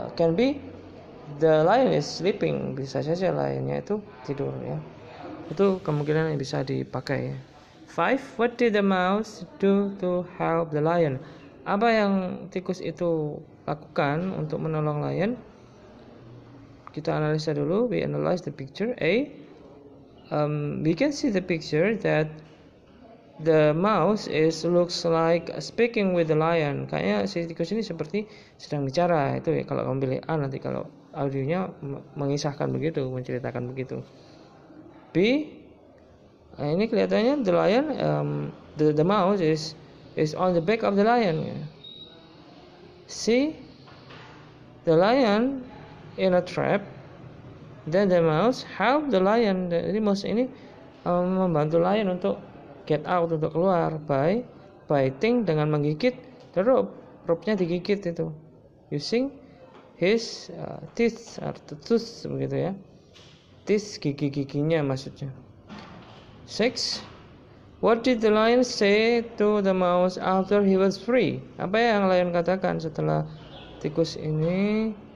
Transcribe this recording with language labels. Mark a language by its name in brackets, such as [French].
[English] Can be the lion is sleeping, [Indonesian] bisa saja lionnya itu tidur ya, itu kemungkinan yang bisa dipakai ya. 5. [English] What did the mouse do to help the lion? [Indonesian] Apa yang tikus itu lakukan untuk menolong lion? Kita analisa dulu. [English] We analyze the picture. A. We can see the picture that the mouse is looks like speaking with the lion. [Indonesian] Kayaknya si tikus ini seperti sedang bicara. Itu ya, kalau kamu pilih A nanti kalau audionya mengisahkan begitu, menceritakan begitu. B. Nah, ini kelihatannya [English] the lion, the mouse is on the back of the lion. C. The lion in a trap. Then the mouse help the lion. [Indonesian] Jadi mouse ini membantu lion untuk [English] get out, [Indonesian] untuk keluar [English] by biting, [Indonesian] dengan menggigit [English] the rope. [Indonesian] Rope-nya digigit itu [English] using his teeth or tooth, [Indonesian] begitu ya. Teeth, giginya maksudnya. 6. [English] What did the lion say to the mouse after he was free? [Indonesian] Apa yang lion katakan setelah tikus ini?